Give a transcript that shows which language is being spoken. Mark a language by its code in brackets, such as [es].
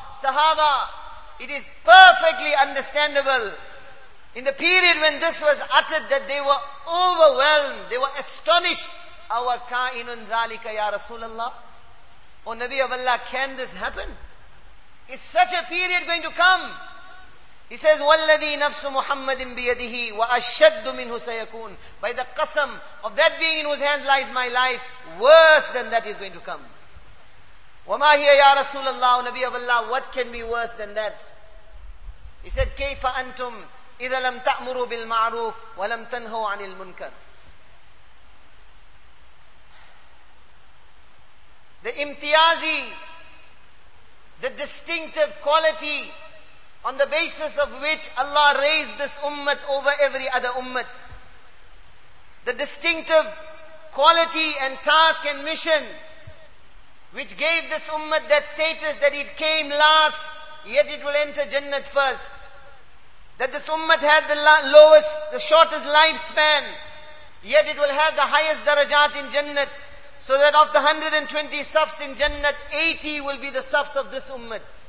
[en] Sahaba, it is perfectly understandable in the period when this was uttered that they were overwhelmed, they were astonished. [ar] Awa ka'inun dhalika ya Rasulullah? [en] O Nabi of Allah, can this happen? Is such a period going to come? He says, [ar] وَالَّذِي نَفْسُ مُحَمَّدٍ بِيَدِهِ وَأَشَّدُّ مِنْهُ سَيَكُونَ. [en] By the qasam of that being in whose hands lies my life, worse than that is going to come. [ar] وَمَا هِيَ يَا رَسُولَ اللَّهُ [en] Nabi of Allah, what can be worse than that? He said, [ar] كَيْفَ أَنْتُمْ إِذَا لَمْ تَأْمُرُوا بِالْمَعْرُوفِ وَلَمْ تَنْهُوا عَنِ الْمُنْكَرِ. [en] The imtiyazi, the distinctive quality on the basis of which Allah raised this ummah over every other ummah, the distinctive quality and task and mission which gave this ummah that status that it came last, yet it will enter Jannat first, that this ummah had the lowest, the shortest lifespan, yet it will have the highest darajat in Jannat, so that of the 120 safs in Jannat, 80 will be the safs of this ummah.